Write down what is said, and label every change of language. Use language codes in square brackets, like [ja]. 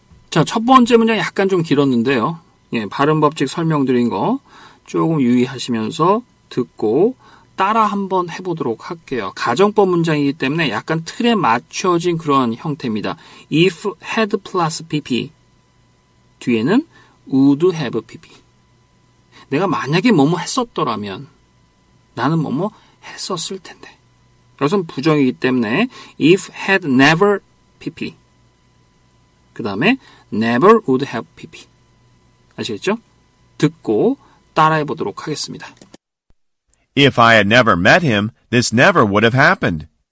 [ko] 자 첫 번째 문장 약간 좀 길었는데요. 예, 발음 법칙 설명드린 거 조금 유의하시면서 듣고 따라 한번 해보도록 할게요. 가정법 문장이기 때문에 약간 틀에 맞춰진 그런 형태입니다. If had plus pp 뒤에는 would have pp. 내가 만약에 뭐뭐 했었더라면 나는 뭐뭐 했었을 텐데. 여기서는 부정이기 때문에 if had never pp 그 다음에 never would have pp 아시겠죠? 듣고 따라해 보도록 하겠습니다. [en] If I had never met him, this never would have happened.